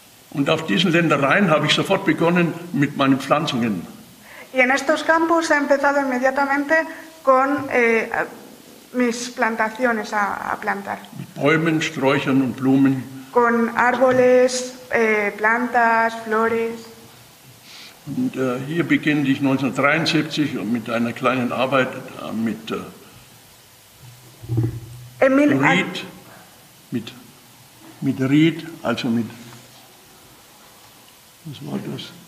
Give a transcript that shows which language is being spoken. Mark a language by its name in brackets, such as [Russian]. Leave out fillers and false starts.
[German] Und auf diesen Ländereien habe ich sofort begonnen mit meinen Pflanzungen. [Spanish] Y en estos campos he empezado inmediatamente con mis plantaciones a plantar. [German] Mit Bäumen, Sträuchern und Blumen. [Spanish] Con árboles, plantas, flores. [German] Und hier beginne ich 1973 mit einer kleinen Arbeit mit Ried, mit Ried, also mit, was war das?